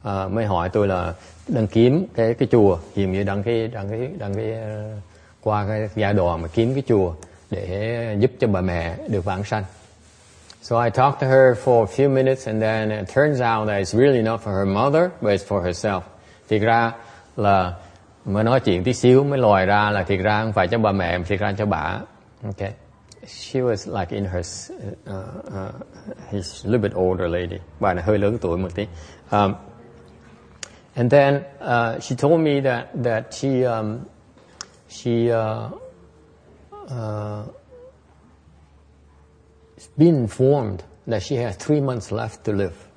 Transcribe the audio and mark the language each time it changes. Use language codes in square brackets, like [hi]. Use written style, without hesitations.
[vi] Mới hỏi tôi là đang kiếm cái chùa, hiểu như đang cái qua cái giai đoạn mà kiếm cái chùa để giúp cho bà mẹ được vãng sanh. [en] So I talked to her for a few minutes, and then it turns out that it's really not for her mother, but it's for herself. [vi] Thì ra là mới nói chuyện tí xíu mới lòi ra là thiệt ra không phải cho bà mẹ, thiệt ra cho bà. Okay. [en] She was like in her he's a little bit older lady. [vi] Bà này hơi lớn tuổi một tí. [en] And then she told me that she's been informed that she has 3 months left to live.